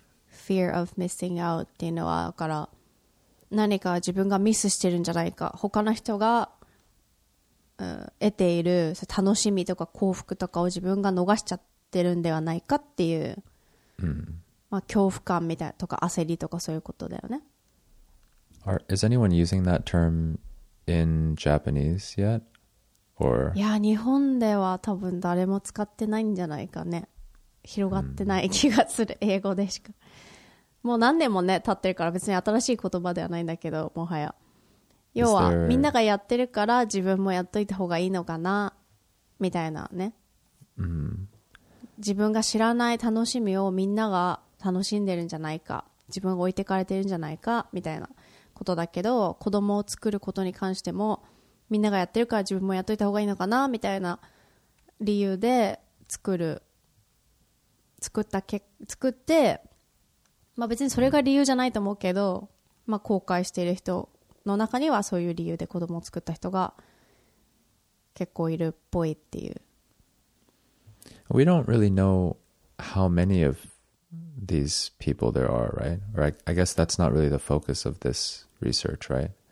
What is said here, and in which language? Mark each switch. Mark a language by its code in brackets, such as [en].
[ja] Fear of missing out っていうのは、だから何か自分がミスしてるんじゃないか、他の人が、得ている楽しみとか幸福とかを自分が逃しちゃってるんではないかっていう、まあ恐怖感みたいとか焦りとかそういうことだよね。 [en] Is anyone using that term in Japanese yet? Or [ja] いや、日本では多分誰も使ってないんじゃないかね。広がってない気がする、英語でしか。もう何年もね経ってるから別に新しい言葉ではないんだけど、もはや要はみんながやってるから自分もやっといた方がいいのかなみたいなね、自分が知らない楽しみをみんなが楽しんでるんじゃないか、自分が置いてかれてるんじゃないかみたいなことだけど、子供を作ることに関してもみんながやってるから自分もやっといた方がいいのかなみたいな理由で作って、まあ別にそれが理由じゃないと思うけど、まあ後悔している人の中にはそういう理由で子供を作った人が結構いるっぽいっていう。 [en] We don't really know how many of these people there are, right? Or I guess that's not really the focus of this research, right?